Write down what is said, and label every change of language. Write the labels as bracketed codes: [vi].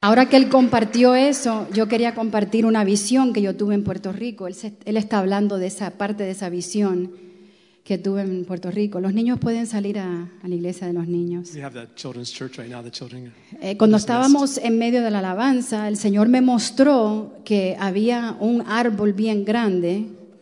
[es] Ahora que él compartió eso, yo quería compartir una visión que yo tuve en Puerto Rico. Él está hablando de esa parte de esa visión que tuve en Puerto Rico. Los niños pueden salir a la iglesia de los niños. [en] We have the children's church right now. The children. [es] Cuando estábamos en medio de la alabanza, el Señor me mostró que había un árbol bien grande.